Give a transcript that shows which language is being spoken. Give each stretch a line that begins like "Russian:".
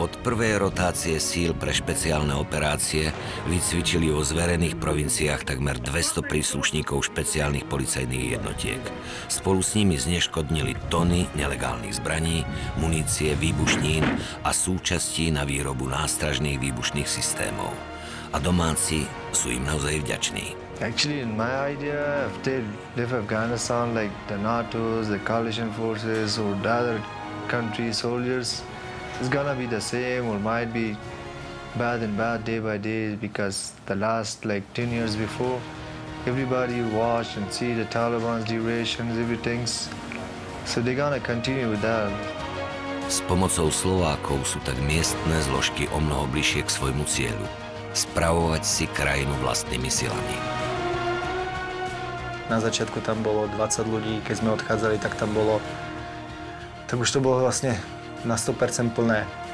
Slovak: Od prvej rotácie síl pre špeciálne operácie vycvičili vo zverených provinciách takmer 200 príslušníkov špeciálnych policajných jednotiek. Spolu s nimi zneškodnili tony nelegálnych zbraní, munície, výbušnín a súčasti na výrobu nástražných výbušných systémov. A domáci sú im naozaj vďační.
English: Actually, in my idea, if they leave Afghanistan, like the NATO's, the coalition forces, or the other country soldiers, it's gonna be the same, or might be bad and bad day by day, because the last like 10 years before, everybody watch and see the Taliban's durations, everything. So they're gonna continue with that.
Slovak: S pomocou Slovákov sú tak miestne zložky o mnoho bližšie k svojmu cieľu. Spravovať si krajinu vlastnými silami. Na začiatku tam bolo 20 ľudí, keď sme odchádzali, tak tam bolo, tak už to bolo vlastne na 100% plné.